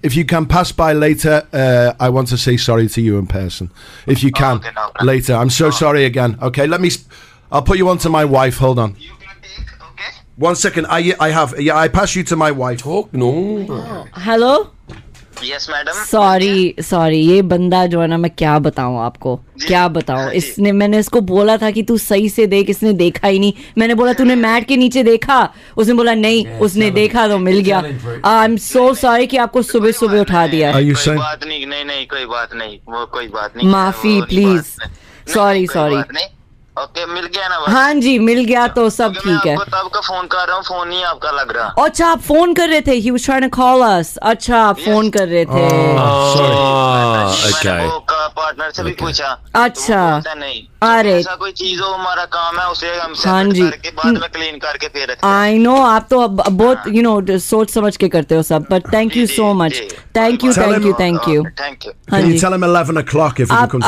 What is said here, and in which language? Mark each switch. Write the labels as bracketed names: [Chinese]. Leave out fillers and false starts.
[English] if you can pass by later, I want to say sorry to you in person. If you can, later. I'm so sorry again. Okay, I'll put you on to my wife, hold on. You can take, okay? 1 second, I pass you to my wife. Talk, no. Hello? Yes, madam. Sorry. [Hindi] ये बंदा जो है ना मैं क्या बताऊँ आपको क्या बताऊँ इसने मैंने इसको बोला था कि तू सही से देख इसने देखा ही नहीं मैंने बोला तूने मैट के नीचे देखा उसने बोला नहीं उसने देखा तो मिल गया [English] I'm so sorry [Hindi] कि आपको सुबह सुबह उठा दिया कोई बात नहीं कोई बात नहीं माफी प्लीज सॉरी ओके मिल गया ना भाई हाँ जी मिल गया तो सब ठीक है मैं आपको फोन कर रहा हूँ फोन ही आपका लग रहा अच्छा आप फोन कर रहे थे [English] he was trying to call us [Hindi] अच्छा आप फोन कर रहे थे ओके पार्टनर से भी पूछा अच्छा अरे ऐसा कोई चीज हो हमारा काम है उसे हम हाँ जी करके बाद में क्लीन करके फिर आई नो आप तो बहुत यू नो सोच समझ के करते हो सब but thank you so much [English] Thank you. Can you tell him 11 o'clock if he comes?